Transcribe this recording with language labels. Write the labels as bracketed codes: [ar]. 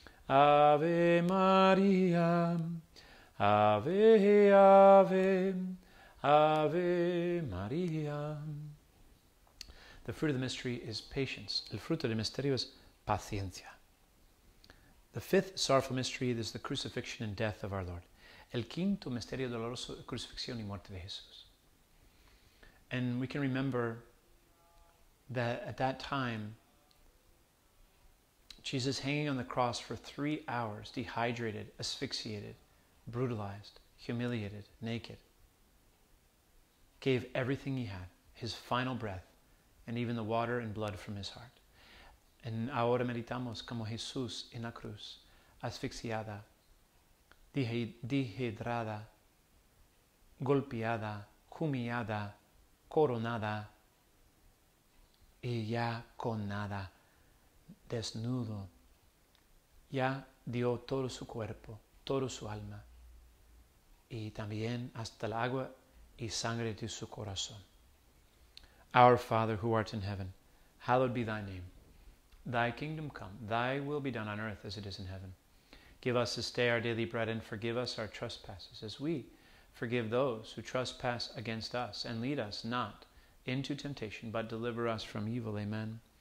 [la] Ave María, ave, ave, ave María. [en] The fruit of the mystery is patience. [es] El fruto del misterio es paciencia. [en] The fifth sorrowful mystery is the crucifixion and death of our Lord. [es] el quinto misterio doloroso, crucifixión y muerte de Jesús. [en] And we can remember that at that time, Jesus hanging on the cross for 3 hours, dehydrated, asphyxiated, brutalized, humiliated, naked, gave everything he had, his final breath, and even the water and blood from his heart. [es] And ahora meditamos como Jesús en la cruz, asfixiada, dehidrada, golpeada, humillada, coronada, y ya con nada, desnudo, ya dio todo su cuerpo, todo su alma, y también hasta el agua y sangre de su corazón. [en] Our Father who art in heaven, hallowed be thy name. Thy kingdom come, thy will be done on earth as it is in heaven. Give us this day our daily bread and forgive us our trespasses as we forgive those who trespass against us. And lead us not into temptation, but deliver us from evil. Amen.